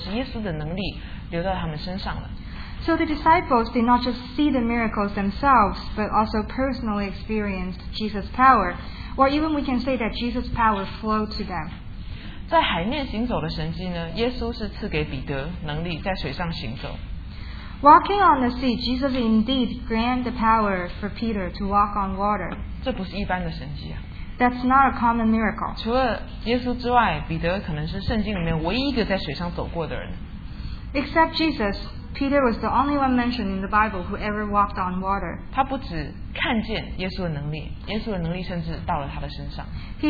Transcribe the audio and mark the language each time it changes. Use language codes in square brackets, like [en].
[zh] 所以他们不只是亲眼看见，他们更是亲身经历耶稣的能力，甚至我们可以大胆一点说，是耶稣的能力留到他们身上了。So [en] the disciples did not just see the miracles themselves, but also personally experienced Jesus' power. Or even we can say that Jesus' power flowed to them. [zh] 在海面行走的神迹呢，耶稣是赐给彼得能力在水上行走。 [en] Walking on the sea, Jesus indeed granted the power for Peter to walk on water. [zh] 这不是一般的神迹啊。 [en] That's not a common miracle. [zh] 除了耶稣之外，彼得可能是圣经里面唯一一个在水上走过的人。 [en] Except Jesus, Peter was the only one mentioned in the Bible who ever walked on water. [zh] 他不只看见耶稣的能力，耶稣的能力甚至到了他的身上。He